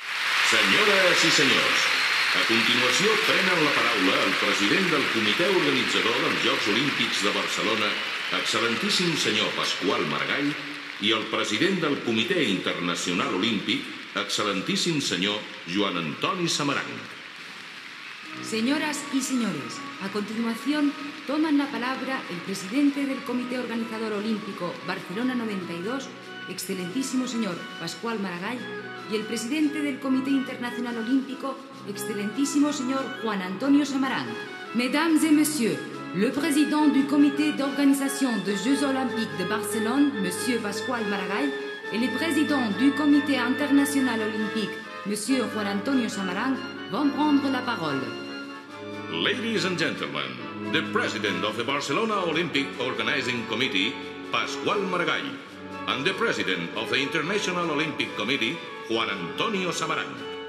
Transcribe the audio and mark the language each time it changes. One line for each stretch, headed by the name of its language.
Catalan: Senyores i senyors, a continuació prenen la paraula el president del comitè organitzador dels Jocs Olímpics de Barcelona, excel·lentíssim senyor Pasqual Maragall, i el president del Comitè Internacional Olímpic, excel·lentíssim senyor Joan Antoni Samaranch.
Spanish: Señoras y señores, a continuación toman la palabra el presidente del Comité Organizador Olímpico Barcelona 92, excelentísimo señor Pasqual Maragall, y el presidente del Comité Internacional Olímpico, excelentísimo señor Juan Antonio Samaranch.
French: Mesdames et messieurs, le président du Comité d'organisation des Jeux Olympiques de Barcelone, monsieur Pasqual Maragall, et le président du Comité International Olympique, monsieur Juan Antonio Samaranch, vont prendre la parole.
English: Ladies and gentlemen, the president of the Barcelona Olympic Organizing Committee, Pasqual Maragall, and the president of the International Olympic Committee, Juan Antonio Samaranch.